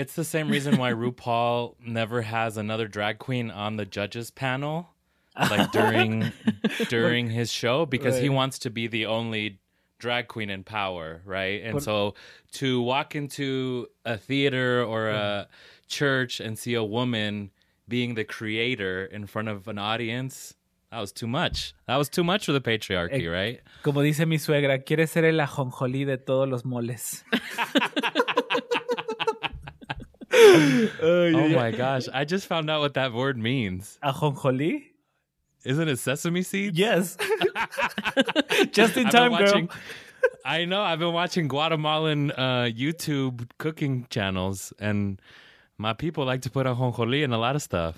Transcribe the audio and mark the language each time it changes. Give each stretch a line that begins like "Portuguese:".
English: It's the same reason why RuPaul never has another drag queen on the judges panel, like during his show, because right. he wants to be the only drag queen in power, right? And but, so to walk into a theater or a church and see a woman being the creator in front of an audience, that was too much. That was too much for the patriarchy, right?
Spanish: Como dice mi suegra, quiere ser el ajonjolí de todos los moles.
English: Oh my gosh. I just found out what that word means. Ajonjolí? Isn't it sesame seeds? Yes. Just in time, watching, girl. I know. I've been watching Guatemalan YouTube cooking channels, and my people like to put ajonjolí in a lot of stuff.